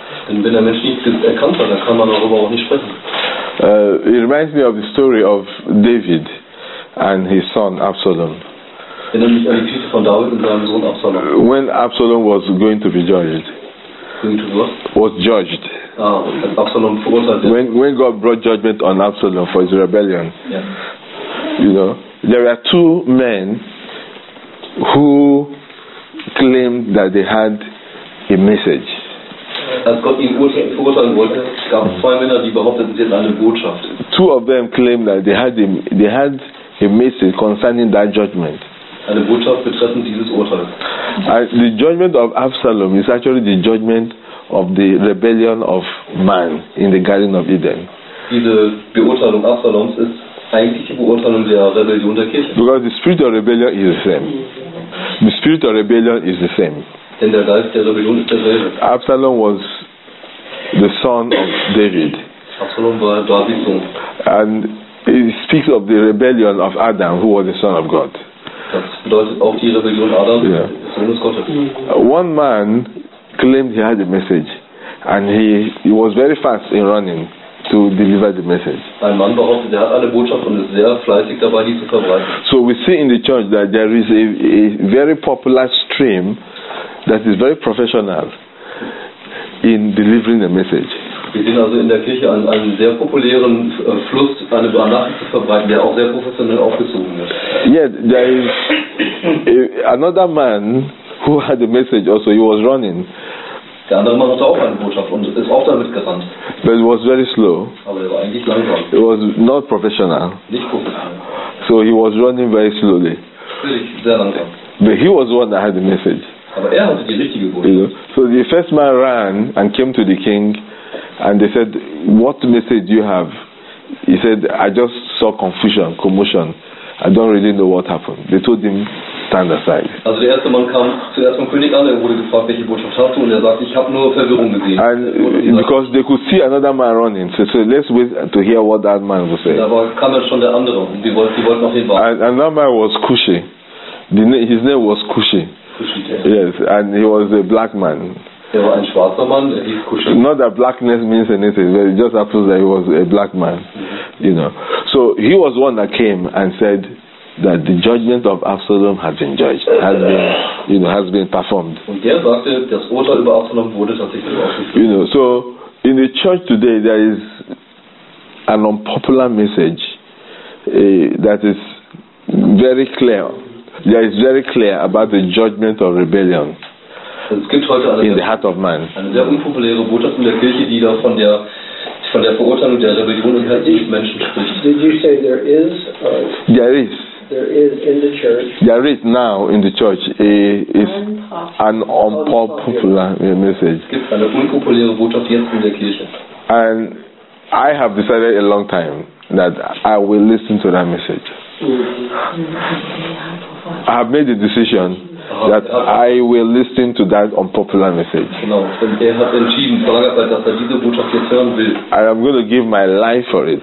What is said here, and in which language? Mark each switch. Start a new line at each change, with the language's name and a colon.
German: Denn wenn der Mensch nicht erkannt hat, dann kann man darüber auch nicht sprechen.
English: It reminds me of the story of David and his son Absalom.
German: Erinnert mich an die Geschichte von David und seinem Sohn Absalom.
English: When Absalom was going to be judged. Was judged.
German: Als Absalom verurteilt wurde.
English: When God brought judgment on Absalom for his rebellion. Yeah. You know, there are two men who claimed that they had a message.
German: Als Gott ihn verurteilen wollte, gab es zwei Männer, die behaupteten, sie hätten eine Botschaft.
English: Two of them claimed that they had a message concerning that judgment.
German: Eine Botschaft betreffend dieses Urteil.
English: And the judgment of Absalom is actually the judgment of the rebellion of man in the Garden of Eden.
German: Diese Beurteilung Absaloms ist eigentlich die Beurteilung der Rebellion der Kirche.
English: Because the spirit of rebellion is the same. The spirit of rebellion is the same.
German: Denn der Geist der Rebellion ist derselbe.
English: Absalom was the son of David.
German: Absalom war Davids Sohn.
English: And it speaks of the rebellion of Adam, who was the son of God.
German: Das bedeutet auch die Rebellion Adam, yeah. Sohn des Gottes.
English: One man claimed he had a message, and he was very fast in running to deliver the message.
German: Ein Mann behauptet, er hat eine Botschaft und ist sehr fleißig dabei, die zu verbreiten.
English: So we see in the church that there is a very popular stream that is very professional in delivering a message.
German: Wir sehen also in der Kirche einen sehr populären Fluss, eine Nachricht zu verbreiten, der auch sehr professionell aufgezogen wird.
English: Yet there is another man who had a message also, he was running.
German: Der andere Mann hatte auch eine Botschaft und ist auch damit gerannt.
English: But it was very slow.
German: Aber er war eigentlich langsam.
English: It was not professional.
German: Nicht professional.
English: So he was running very slowly.
German: Sehr langsam.
English: But he was the one that had the message.
German: Aber er hatte die richtige Botschaft.
English: You know? So the first man ran and came to the king and they said, what message do you have? He said, I just saw confusion, commotion. I don't really know what happened. They told him understand
German: das eigentlich? Also der erste Mann kam zuerst vom König an, er wurde gefragt, welche Botschaft hast du, und er sagte, ich habe nur Verwirrung gesehen.
English: And because they could see another man running, so let's wait to hear what that man will say.
German: Da war, kam ja schon der andere, und die wollten auf ihn warten.
English: And that man was Cushy. His name was Cushy. Yes, and he was a black man.
German: Er war ein schwarzer Mann, er hieß Cushy.
English: Not that blackness means anything, but it just happens that he was a black man. You know. So he was the one that came and said that the judgment of Absalom had been judged, has been performed.
German: Und der sagte, das Urteil über Absalom wurde tatsächlich ausgeführt.
English: You know, so in the church today there is an unpopular message that is very clear. There is very clear about the judgment of rebellion.
German: Es gibt heute eine,
English: in the heart of man.
German: Eine sehr unpopuläre Botschaft in der Kirche, die da von der Verurteilung der Rebellion im Herzen des Menschen spricht.
English: Did you say there is? There is now in the church is an unpopular message.
German: Es gibt eine unpopuläre Botschaft jetzt in der Kirche.
English: And I have decided a long time that I will listen to that message. I have made the decision that I will listen to that unpopular message. I am going to give my life for it.